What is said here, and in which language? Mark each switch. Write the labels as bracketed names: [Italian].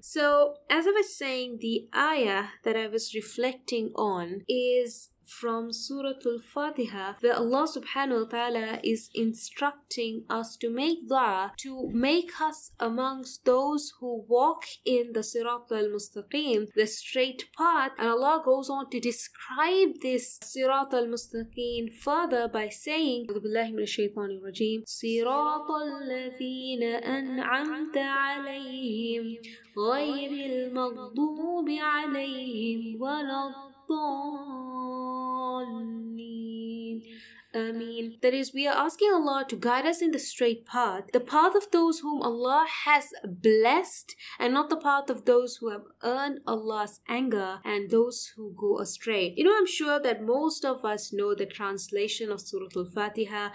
[English] So as I was saying, the ayah that I was reflecting on is from Surah Al-Fatiha, where Allah subhanahu wa ta'ala is instructing us to make dua to make us amongst those who walk in the Sirat Al-Mustaqim, the straight path. And Allah goes on to describe this Sirat Al-Mustaqim further by saying, [Arabic] أعوذ بالله من الشيطان الرجيم صراط الذين أنعمت عليهم غير المغضوب عليهم ولا الضالين. Ameen. [English] That is, we are asking Allah to guide us in the straight path, the path of those whom Allah has blessed, and not the path of those who have earned Allah's anger and those who go astray. You know, I'm sure that most of us know the translation of Surah Al-Fatiha.